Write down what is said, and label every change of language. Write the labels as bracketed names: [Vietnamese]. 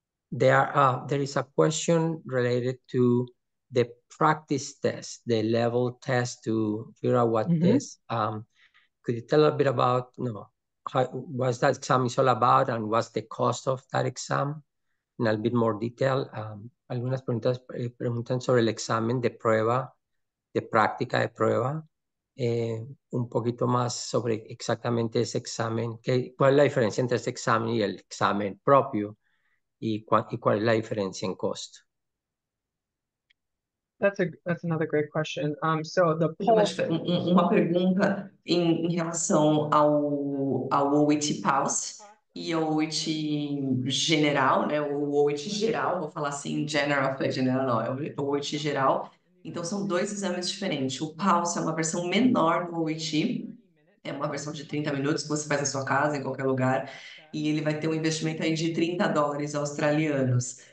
[English] There is a question related to the practice test, the level test to figure out what this. Could you tell a bit about, what that exam is all about and what's the cost of that exam in a bit more detail? [Spanish] Algunas preguntas preguntan sobre el examen de prueba. De práctica de prueba, un poquito más sobre exactamente ese examen, cuál es la diferencia entre ese examen y el examen propio, y cuál es la diferencia en costo. [English] That's another great question. So the pulse... [Portuguese] Uma pergunta em relação ao OIT Pulse e ao OIT General, né? O OIT Geral, vou falar assim, General, General, não, o OIT Geral. Então, são dois exames diferentes. O PALS é uma versão menor do OIT, é uma versão de 30 minutos que você faz na sua casa, em qualquer lugar, e ele vai ter um investimento aí de 30 dólares australianos.